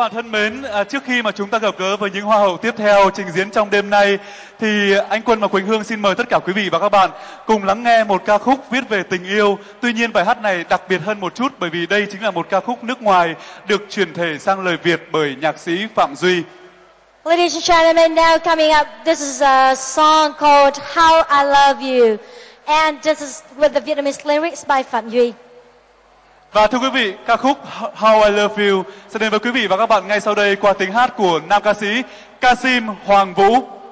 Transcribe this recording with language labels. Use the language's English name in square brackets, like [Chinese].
[Vietnamese] Mến, trước khi mà chúng ta gặp gỡ với những hoa hậu tiếp theo trình diễn trong đêm nay thì anh Quân và Quỳnh Hương xin mời tất cả quý vị và các bạn cùng lắng nghe một ca khúc viết về tình yêu. Tuy nhiên bài hát này đặc biệt hơn một chút bởi vì đây chính là một ca khúc nước ngoài được chuyển thể sang lời Việt bởi nhạc sĩ Phạm Duy. [English] Ladies and gentlemen, now coming up, this is a song called How I Love You and this is with the Vietnamese lyrics by Phạm Duy. [Vietnamese] Và thưa quý vị, ca khúc How I Love You sẽ đến với quý vị và các bạn ngay sau đây qua tiếng hát của nam ca sĩ Kasim Hoàng Vũ.